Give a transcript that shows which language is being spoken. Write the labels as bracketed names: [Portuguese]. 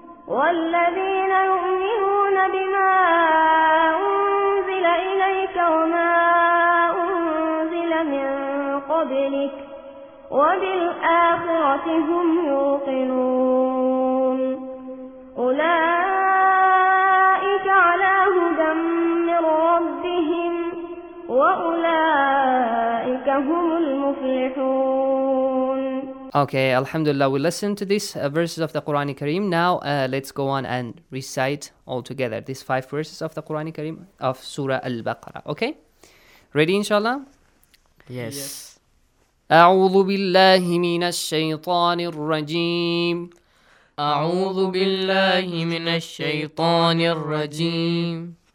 [Arabic] والذين يؤمنون بما أنزل إليك وما أنزل من قبلك وبالآخرة هم يوقنون أولئك على هدى من ربهم وأولئك هم المفلحون. [English] Okay, alhamdulillah, we listened to these verses of the Quran Kareem. Now let's go on and recite all together these five verses of the Quran Kareem of Surah Al-Baqarah. Okay, ready inshallah? Yes. [Arabic] أعوذ بالله من الشيطان الرجيم. أعوذ بالله من الشيطان الرجيم.